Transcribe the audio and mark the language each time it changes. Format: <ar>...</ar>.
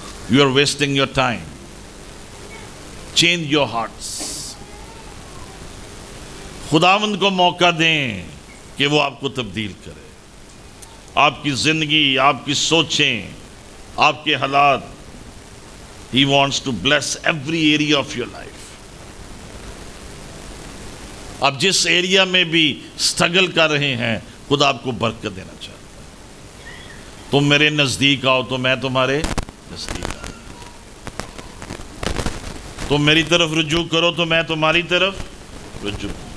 <en>You are wasting your time. Change your hearts.</en> <ur>خداوند کو موقع دیں کہ وہ آپ کو تبدیل کرے. آپ کی زندگی, آپ کی سوچیں, آپ کے حالات.</ur> <en>He wants to bless every area of your life.</en> <ur>آپ جس ایریا میں بھی اسٹرگل کر رہے ہیں خدا آپ کو برکت دینا چاہتا ہے. تم میرے نزدیک آؤ تو میں تمہارے نزدیک آؤں, تم میری طرف رجوع کرو تو میں تمہاری طرف رجوع.</ur>